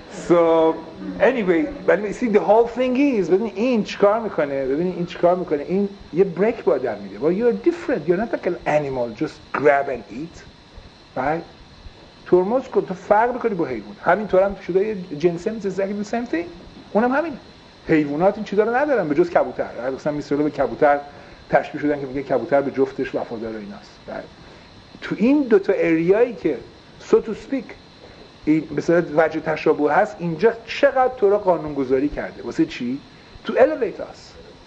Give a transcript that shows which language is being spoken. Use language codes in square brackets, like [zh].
[en] So anyway, but you see the whole thing is, [fa] ببینید این چیکار میکنه؟ ببینید این چیکار میکنه؟ این یه بریک به آدم میده. [en] Well, you're different. You're not like an animal just grab and eat. Right? [fa] ترمز کن، تو فرق میکنی با حیوان. همینطور هم شده جنسه میزه زگی [en] the same thing. [fa] اونم همین. حیوانات این چیزا رو ندارن به جز کبوتر. مثلا میسرلو به کبوتر تشبیه شدن که میگه کبوتر به جفتش وفادار ایناست. [en] Right? [fa] تو این دو تا ایریایی که [en] so to speak [fa] این مثلا وجه تشابه هست، اینجا چقدر تو را قانونگذاری کرده واسه چی؟ [en] To elevate us.